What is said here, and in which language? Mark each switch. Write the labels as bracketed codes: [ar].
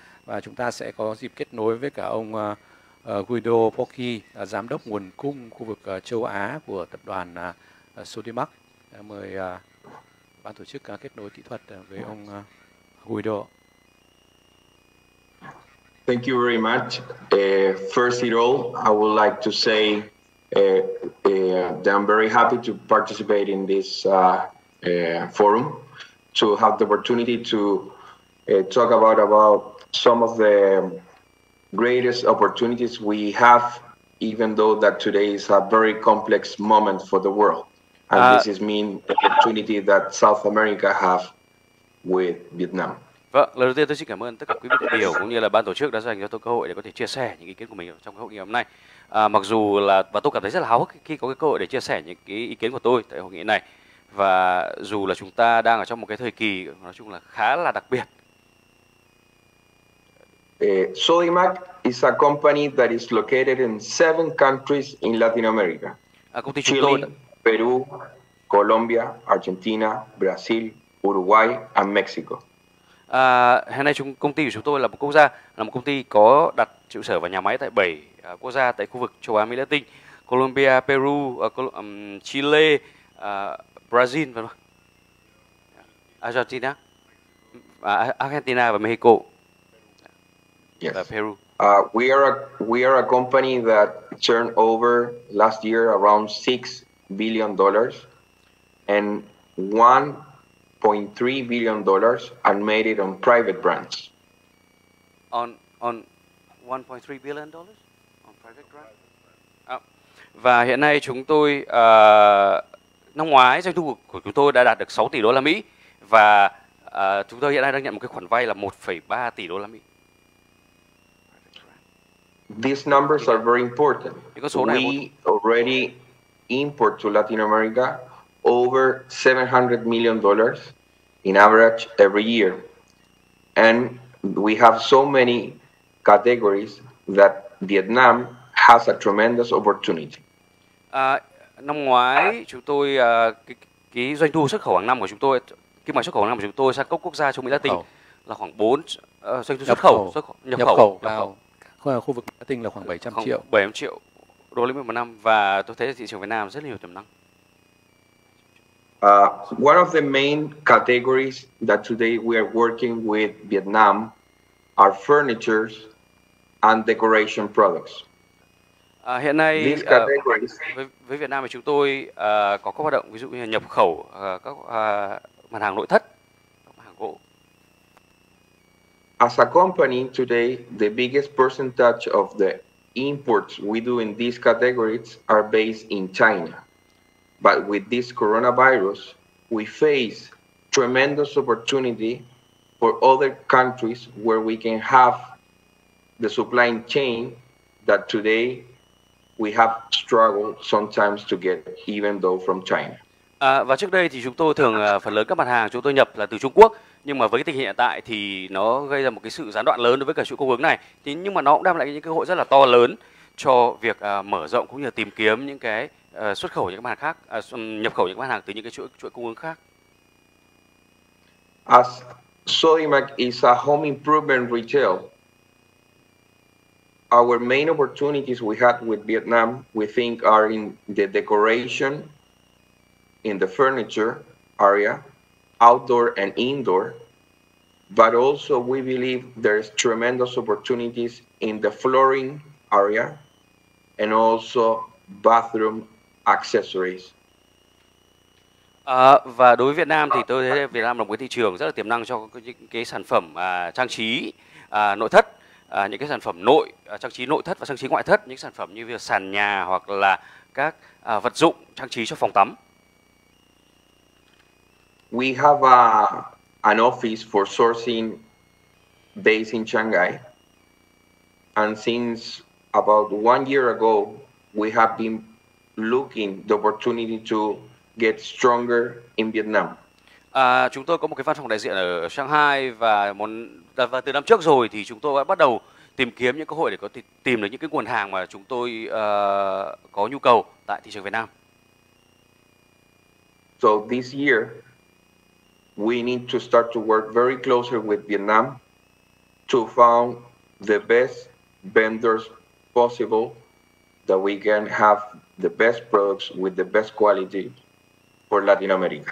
[vi] Và chúng ta sẽ có dịp kết nối với cả ông Guido Pocchi, giám đốc nguồn cung khu vực châu Á của tập đoàn Sodimac. Mời ban tổ chức kết nối kỹ thuật với ông Guido. [en] Thank you very much. First of all, I would like to say that I'm very happy to participate in this forum, to have the opportunity to talk about some of the greatest opportunities we have, even though that today is a very complex moment for the world. And this is mean the opportunity that South America have with Vietnam. [vi] Vâng, lần đầu tiên tôi xin cảm ơn tất cả quý vị đại biểu cũng như là ban tổ chức đã dành cho tôi cơ hội để có thể chia sẻ những ý kiến của mình trong hội nghị hôm nay. Mặc dù là và tôi cảm thấy rất là háo hức khi có cái cơ hội để chia sẻ những cái ý kiến của tôi tại hội nghị này. Và dù là chúng ta đang ở trong một cái thời kỳ nói chung là khá là đặc biệt. [en] Sodimac is a company that is located in 7 countries in Latin America. [vi] Công ty chúng tôi là Peru, Colombia, Argentina, Brazil, Uruguay [en] and [vi] Mexico. Hiện nay công ty của chúng tôi là một công ty có đặt trụ sở và nhà máy tại 7 quốc gia tại khu vực châu Á Mỹ Latin, Colombia, Peru, Chile, Brazil và Argentina. Argentina và Mexico. [en] Yes. Peru. We are a company that turned over last year around $6 billion and $1.3 billion and made it on private brands. On $1.3 billion on private brands. [vi] Và hiện nay chúng tôi năm ngoái doanh thu của chúng tôi đã đạt được $6 tỷ và chúng tôi hiện nay đang nhận một cái khoản vay là $1.3 tỷ. [en] These numbers are very important. Already import to Latin America over $700 million. In average every year, and we have so many categories that Vietnam has a tremendous opportunity. [vi] Năm ngoái chúng tôi cái doanh thu xuất khẩu hàng năm của chúng tôi, kim ngạch xuất khẩu hàng năm của chúng tôi sang các quốc gia châu Mỹ Latin là khoảng 4 doanh thu nhập khẩu vào khu vực Latin là khoảng 700 triệu đô la Mỹ một năm, và tôi thấy thị trường Việt Nam rất nhiều tiềm năng. [en] One of the main categories that today we are working with Vietnam are furniture and decoration products. [vi] Hiện nay với Việt Nam thì chúng tôi có các hoạt động ví dụ như nhập khẩu các mặt hàng nội thất, mặt hàng gỗ. [en] As a company today, the biggest percentage of the imports we do in these categories are based in China. But with this coronavirus, we face tremendous opportunity for other countries where we can have the supply chain that today we have struggled sometimes to get, even though from China. [vi] Và trước đây thì chúng tôi thường phần lớn các mặt hàng chúng tôi nhập là từ Trung Quốc, nhưng mà với cái tình hiện tại thì nó gây ra một cái sự gián đoạn lớn đối với cả chuỗi cung ứng này. Thì nhưng mà nó cũng đem lại những cơ hội rất là to lớn cho việc mở rộng cũng như tìm kiếm những cái xuất khẩu những cái mặt hàng khác, nhập khẩu những cái mặt hàng từ những cái chuỗi cung ứng khác. [en] As Sodimac is a home improvement retail, our main opportunities we had with Vietnam, we think, are in the decoration, in the furniture area, outdoor and indoor, but also we believe there's tremendous opportunities in the flooring area and also bathroom accessories. [vi] Và đối với Việt Nam thì tôi thấy Việt Nam là một cái thị trường rất là tiềm năng cho những cái sản phẩm trang trí nội thất, những cái sản phẩm nội trang trí nội thất và trang trí ngoại thất, những sản phẩm như việc sàn nhà hoặc là các vật dụng trang trí cho phòng tắm. [en] We have an office for sourcing based in Shanghai, and since about 1 year ago, we have been looking the opportunity to get stronger in Vietnam. [vi] Chúng tôi có một cái văn phòng đại diện ở Shanghai và từ năm trước rồi thì chúng tôi đã bắt đầu tìm kiếm những cơ hội để có thể tìm được những cái nguồn hàng mà chúng tôi có nhu cầu tại thị trường Việt Nam. [en] So this year, we need to start to work very closely with Vietnam to find the best vendors possible that we can have the best products with the best quality for Latin America.